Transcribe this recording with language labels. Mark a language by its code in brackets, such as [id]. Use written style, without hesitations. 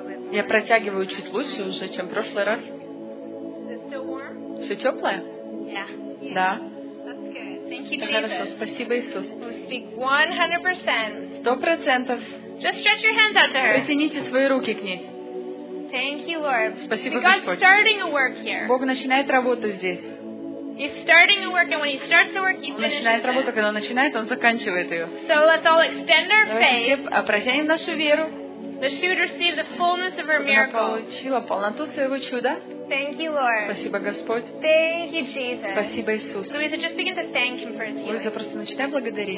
[ru] Я протягиваю чуть лучше уже, чем в прошлый раз. Все теплое? [en] Yeah. [ru] Да. [en] That's Thank you, Jesus. [ru] Хорошо, спасибо, Иисус. [en] Speak 100%. 100%. Just stretch your hands out to her. [ru] Протяните свои руки к ней. [en] Thank you, Lord. [ru] Спасибо, Господь. [en] God's starting a work here. [ru] Бог начинает работу здесь. [en] He's starting a work, and when he starts a work, he finishes. [ru] Он начинает работу, когда он начинает, он заканчивает ее. [en] So let's all extend our faith. [ru] Давайте протянем нашу веру. [en] That she would receive the fullness of her miracle. [ru] Чтобы она получила полноту своего чуда. [en] Thank you, Lord. [ru] Спасибо, Господь. [en] Thank you, Jesus. [ru] Спасибо, Иисус. [en] Louisa, just begin to thank him for his healing. [ru] Луиза, просто начинай благодарить